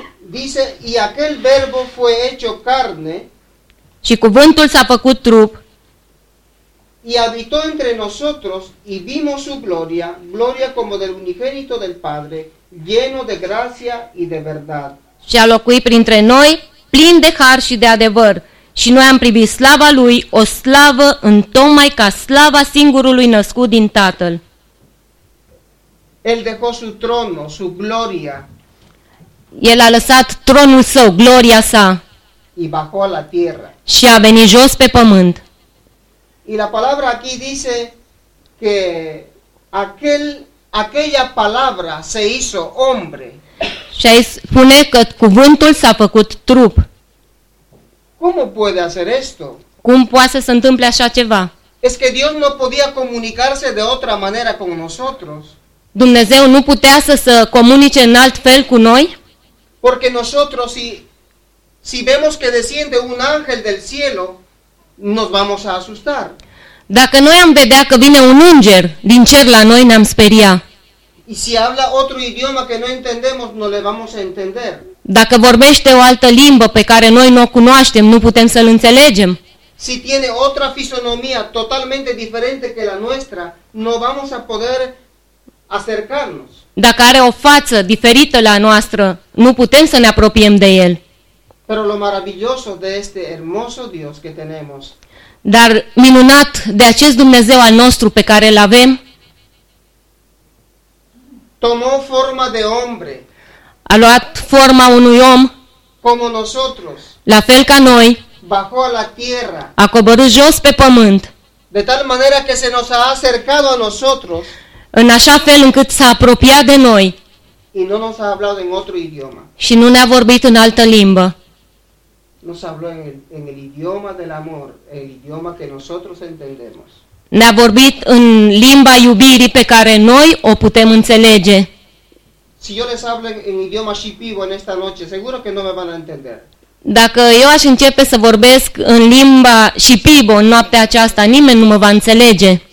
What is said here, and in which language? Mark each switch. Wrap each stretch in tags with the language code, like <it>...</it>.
<es>dice, y aquel verbo fue hecho carne,</es> <ro>și cuvântul s-a făcut trup,</ro> <es>y habitó entre nosotros, y vimos su gloria, gloria como del unigénito del Padre, lleno de gracia y de verdad.</es> <ro>Și a locuit printre noi, plin de har și de adevăr, și noi am privit slava lui, o slavă întocmai ca slava singurului născut din Tatăl.</ro> <es>El dejó su trono, su gloria.</es> <ro>El a lăsat tronul său, gloria sa.</ro> <es>Y bajó a la tierra.</es> <ro>Și a venit jos pe pământ.</ro> <es>Y la palabra aquí dice que aquella palabra se hizo hombre.</es> <ro>Și aici spune că cuvântul s-a făcut trup.</ro> <es>¿Cómo puede hacer esto?</es> <ro>Cum poate să se întâmple așa ceva?</ro> <es>Es que Dios no podía comunicarse de otra manera con nosotros.</es> <ro>Dumnezeu nu putea să se comunice în alt fel cu noi?</ro> <es>Porque nosotros si vemos que desciende un ángel del cielo, nos vamos a asustar.</es> <ro>Dacă noi am vedea că vine un înger din cer la noi, ne-am speria.</ro> <es>Y si habla otro idioma que no entendemos, no le vamos a entender.</es> <ro>Dacă vorbește o altă limbă pe care noi nu o cunoaștem, nu putem să-l înțelegem.</ro> <es>Si tiene otra fisonomía totalmente diferente que la nuestra, no vamos a poder acercarnos.</es> <ro>Dacă are o față diferită la noastră, nu putem să ne apropiem de el.</ro> <es>Pero lo maravilloso de este hermoso Dios que tenemos.</es> <ro>Dar minunat de acest Dumnezeu al nostru pe care îl avem.</ro> <es>Tomó forma de hombre.</es> <ro>A luat forma unui om.</ro> <es>Como nosotros.</es> <ro>La fel ca noi.</ro> <es>Bajó a la tierra.</es> <ro>A coborât jos pe pământ.</ro> <es>De tal manera que se nos ha acercado a nosotros.</es> <ro>În așa fel încât s-a apropiat de noi.</ro> <es>Y no nos ha hablado en otro idioma.</es> <ro>Și nu ne-a vorbit în altă limbă.</ro> <es>Nos habló en el idioma del amor, el idioma que nosotros entendemos.</es> <ro>Ne-a vorbit în limba iubirii pe care noi o putem înțelege.</ro> <es>Si yo les hablo en idioma shipibo en esta noche, seguro que no me van a entender.</es> <ro>Dacă eu aș începe să vorbesc în limba shipibo în noaptea aceasta, nimeni nu mă va înțelege.</ro>